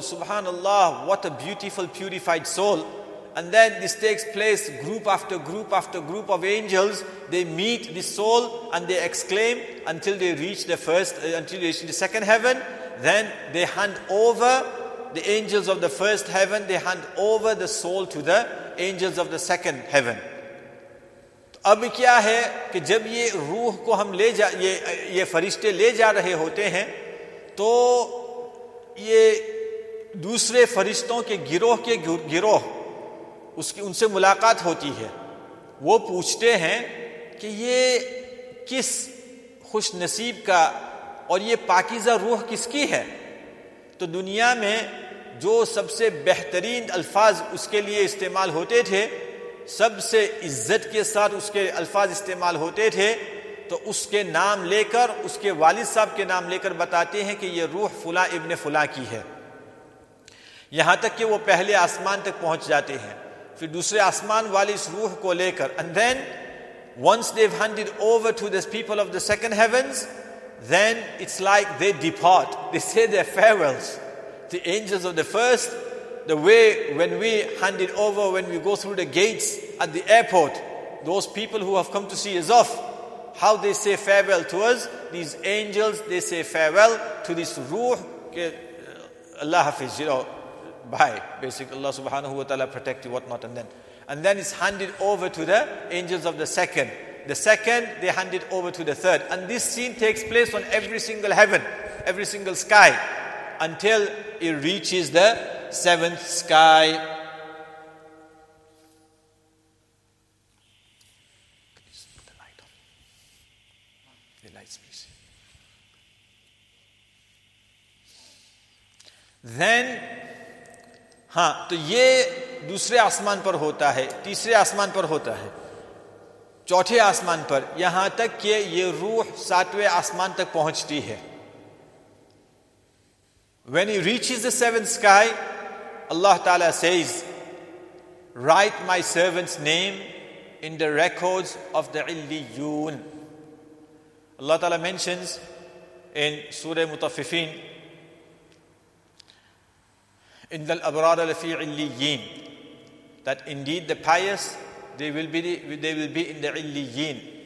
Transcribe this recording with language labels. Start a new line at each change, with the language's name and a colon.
English: Subhanallah, what a beautiful purified soul. And then this takes place, group after group after group of angels, they meet this soul and they exclaim until they reach the first, until they reach the second heaven. Then they hand over, the angels of the first heaven, they hand over the soul to the angels of the second heaven.
Hindi: अब क्या है कि जब ये रूह को हम ले जा ये फरिश्ते ले जा रहे होते हैं, तो ये दूसरे फरिश्तों के गिरोह उसकी उनसे मुलाकात होती है. वो पूछते हैं कि ये किस खुश नसीब का और ये पाकीज़ा रूह किसकी है. तो दुनिया में जो सबसे बेहतरीन अल्फाज उसके लिए इस्तेमाल होते थे, सबसे इज्जत के साथ उसके अल्फाज इस्तेमाल होते थे, तो उसके नाम लेकर, उसके वालिद साहब के नाम लेकर बताते हैं कि यह रूह फुला इब्ने फुला की है. यहां तक कि वो पहले आसमान तक पहुंच जाते हैं, फिर दूसरे आसमान वाले इस रूह को लेकर,
English: And then once they have handed over to the people of the second heavens, then it's like they depart, they say their farewells. The angels of the first, the way when we hand it over, when we go through the gates at the airport, those people who have come to see us off, how they say farewell to us, these angels, they say farewell to this ruh, ke Allah Hafiz, you know, bye, basically Allah subhanahu wa ta'ala protect you, whatnot, and then it's handed over to the angels of the second, they hand it over to the third, and this scene takes place on every single heaven, every single sky, until it reaches the seventh sky. Can you just put the light on? The light's missing.
Hindi: Then, हाँ तो ये दूसरे आसमान पर होता है, तीसरे आसमान पर होता है, चौथे आसमान पर, यहां तक कि ये रूह सातवें आसमान तक पहुंचती है. When he reaches the seventh sky, Allah Ta'ala says, write my servant's name in the records of the Illiyun. Allah Ta'ala mentions in Surah Mutaffifin, in the Abrar al-Fi Illiyin, that indeed the pious, they will be in the Illiyin.